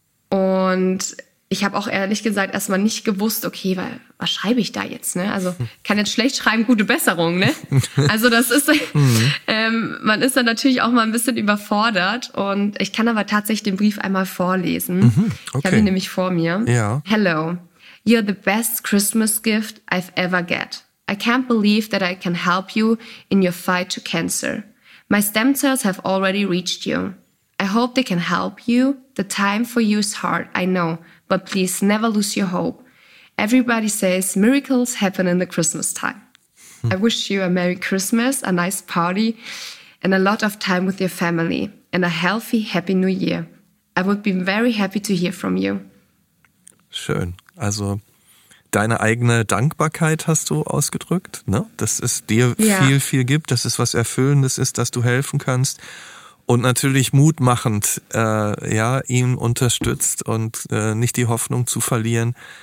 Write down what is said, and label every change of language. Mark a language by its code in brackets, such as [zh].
[de] Und ich habe auch ehrlich gesagt erstmal nicht gewusst, okay, was schreibe ich da jetzt? Ne? Also kann jetzt schlecht schreiben, gute Besserung. Ne? Also das ist, man ist dann natürlich auch mal ein bisschen überfordert. Und ich kann aber tatsächlich den Brief einmal vorlesen. Okay. Ich habe ihn nämlich vor mir. Ja. [en] Hello, you're the best Christmas gift I've ever get. I can't believe that I can help you in your fight to cancer. My stem cells have already reached you. I hope they can help you. The time for you is hard, I know. But please never lose your hope. Everybody says miracles happen in the Christmas time. I wish you a Merry Christmas, a nice party, and a lot of time with your family, and a healthy, happy New Year. I would be very happy to hear from you. [de] Schön. Also, deine eigene Dankbarkeit hast du ausgedrückt, ne? Dass es dir viel, viel gibt, dass es was Erfüllendes ist, dass du helfen kannst. Und natürlich mutmachend, ihn unterstützt und nicht die Hoffnung zu verlieren.